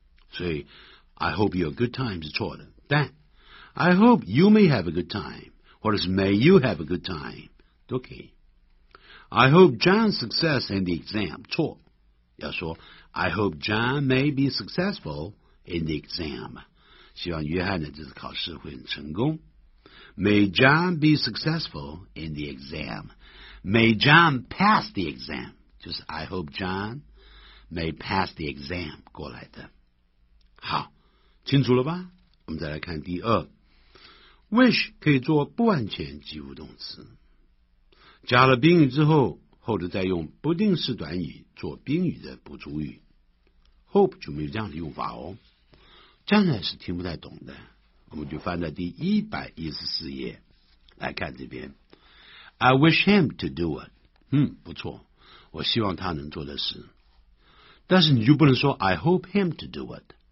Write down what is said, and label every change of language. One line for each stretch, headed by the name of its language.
Chinese: 所以
English: I hope you a good time
Chinese: 是错的但
English: I hope you may have a good time
Chinese: 或者是
English: may you have a good time
Chinese: 都可以
English: I hope John's success in the exam
Chinese: 错要说
English: I hope John may be successful in the exam.
Chinese: 希望约翰的这次考试会很成功。
English: May John be successful in the exam. May John pass the exam.
Chinese: 就是
English: I hope John may pass the exam
Chinese: 过来的。好，清楚了吧？我们再来看第二。 Wish 可以做不完全及物动词。加了宾语之后，后头再用不定式短语做宾语的补足语。 Hope 就没有这样的用法哦这样呢是听不太懂的我们就翻到第114页来看这边
English: I wish him to do it
Chinese: 不错我希望他能做的事但是你就不能说
English: I hope him to do it